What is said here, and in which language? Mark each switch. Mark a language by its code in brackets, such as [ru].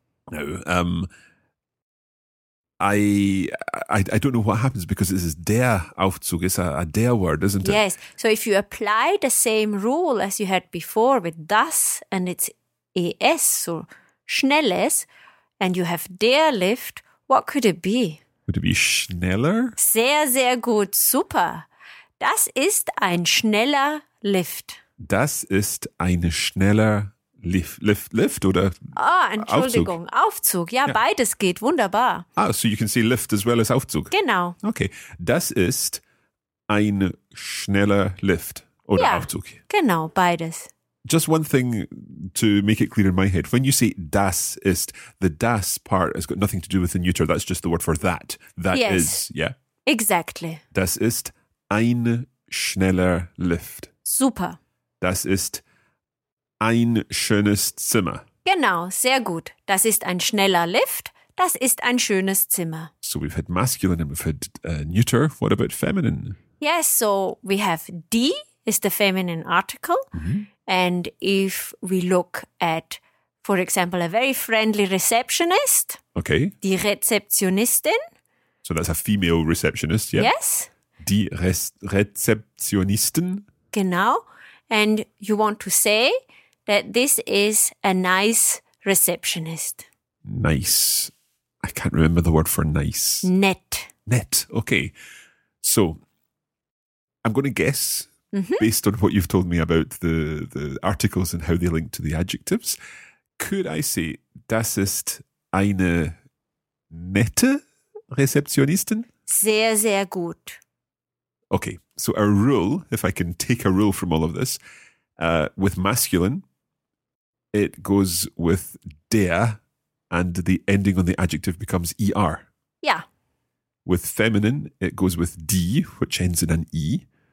[en] Now, I don't know what happens because this is der Aufzug. It's a der word, isn't it? Yes. So if you apply the same rule as you had before with das and it's es, so schnelles, and you have der Lift, what could it be? Would it be schneller? [de] Sehr, sehr gut. Super. Das ist ein schneller Lift. Das ist ein schneller Lift oder Aufzug? Ah, Entschuldigung. Aufzug. Ja, beides geht. Wunderbar. [en] Ah, so you can say Lift as well as Aufzug. [de] Genau. [en] Okay. [de] Das ist ein schneller Lift oder Aufzug. Genau, beides. [en] Just one thing to make it clear in my head. When you say [de] das ist, [en] the das part has got nothing to do with the neuter. That's just the word for that. That yes. is, yeah? Exactly. [de] Das ist ein schneller Lift. Super. Das ist ein schönes Zimmer. Genau, sehr gut. Das ist ein schneller Lift. Das ist ein schönes Zimmer. [en] So we've had masculine and we've had neuter. What about feminine? Yes, so we have die is the feminine article. Mm-hmm. And if we look at, for example, a very friendly receptionist. Okay. [de] Die Rezeptionistin. [en] So that's a female receptionist, yeah? Yes. [de] Die Rezeptionistin. Genau. [en] And you want to say that this is a nice receptionist. Nice. I can't remember the word for nice. [de] Nett. [en] Nett. Okay. So I'm going to guess. Mm-hmm. Based on what you've told me about the articles and how they link to the adjectives, could I say [de] das ist eine nette Rezeptionistin? Sehr, sehr gut. [en] Okay, so a rule, if I can take a rule from all of this, with masculine, it goes with der and the ending on the adjective becomes er. Yeah. With feminine, it goes with die, which ends in an e.